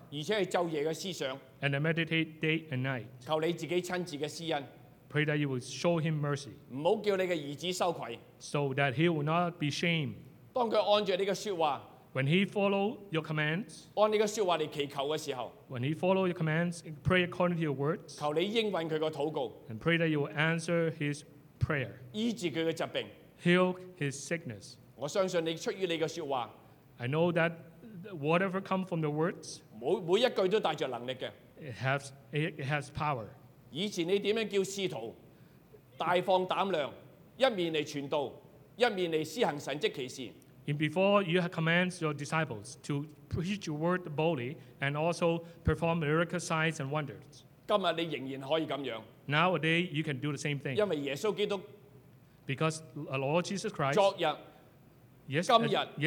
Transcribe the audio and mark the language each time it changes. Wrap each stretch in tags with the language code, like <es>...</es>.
<zh>而且是昼夜的思想,</zh> <en>and I meditate day and night.</en> <zh>求你自己亲自的施恩,</zh> <en>pray that you will show him mercy,</en> <zh>不要叫你的儿子羞愧,</zh> <en>so that he will not be shamed.</en> <zh>当他按着你的说话,</zh> <en>when he follow your commands,</en> <zh>按你的说话来祈求的时候,</zh> <en>when he follow your commands, pray according to your words,</en> <zh>求你应允他的祷告,</zh> <en>and pray that you will answer his prayer,</en> <zh>医治他的疾病,</zh> <en>heal his sickness.</en> <zh>我相信你出于你的说话,</zh> <en>I know that whatever comes from the words,</en> <zh>每一句都带着能力的,</zh> <en>it has power.</en> <zh>以前你怎样叫使徒, 大放胆量, 一面来传道, 一面来施行神迹奇事。</zh> <en>And before you have commanded your disciples to preach your word boldly and also perform miracle signs and wonders.</en> <zh>今天你仍然可以这样。</zh> <en>Nowadays, you can do the same thing.</en> <zh>因为耶稣基督,</zh> <en>because the Lord Jesus Christ,</en> <zh>昨日,</zh> <en>yes,</en> <zh>今日,</zh>